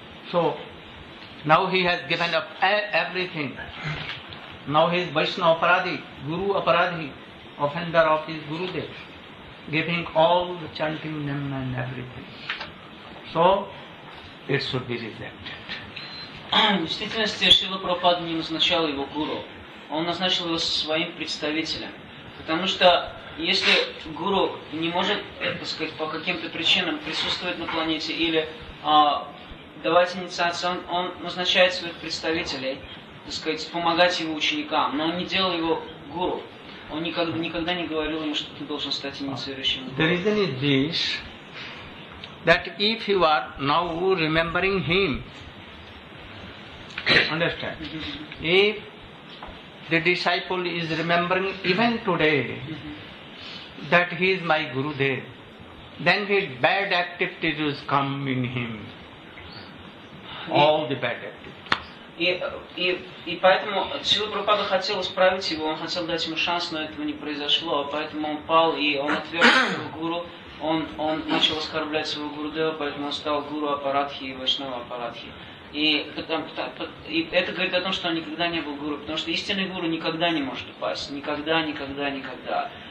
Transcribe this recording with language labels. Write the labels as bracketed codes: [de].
[en] So now he has given up everything. Now he is Vaishnava Aparadhi, Guru Aparadhi, offender of his Gurudev, giving all the chanting name and everything. So it should be rejected. [ru] В действительности Шрила Прабхупада не назначал его гуру. Он назначил его своим представителем. Потому что если гуру не может, так сказать, по каким-то причинам присутствовать на планете или давать инициацию, он назначает своих представителей, так сказать, помогать его ученикам, но он не делал его гуру. Он никогда не говорил ему, что ты должен стать инициирующим. [en] The reason is this, that if you are now remembering him, understand, if the disciple is remembering even today that he is my Gurudev, then his bad activities come in him. All the bad activities. [ru] И поэтому Шрила Прабхупада хотел исправить его, он хотел дать ему шанс, но этого не произошло, поэтому он пал и он отверг своего гуру, он начал оскорблять своего Гурудева, поэтому он стал гуру Апарадхи и Вайшнава Апарадхи. И это говорит о том, что он никогда не был гуру, потому что истинный гуру никогда не может упасть, никогда, никогда, никогда.